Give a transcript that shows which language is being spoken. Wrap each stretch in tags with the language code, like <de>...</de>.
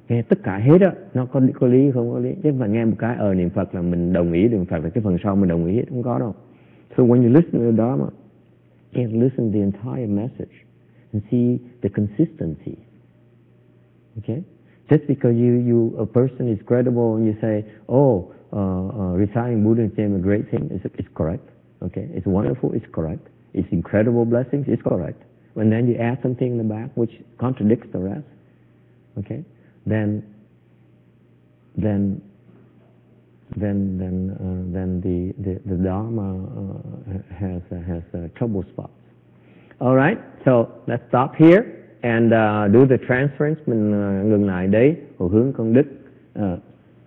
<vi>Nghe tất cả hết á, nó có lý không có lý. Chứ mà nghe một cái niệm Phật là mình đồng ý niệm Phật, là cái phần sau mình đồng ý hết, không có đâu.</vi> <en>So when you listen to the Dharma, you have to listen to the entire message and see the consistency. Okay? Just because you a person is credible and you say, reciting Buddha's name is a great thing, it's correct. Okay, it's wonderful, it's correct. It's incredible blessings, it's correct. When then you add something in the back which contradicts the rest, okay, then the Dharma has trouble spots. All right, so let's stop here and do the transference.</en> <vi>Mình ngừng lại đấy, hồi hướng công đức.</vi>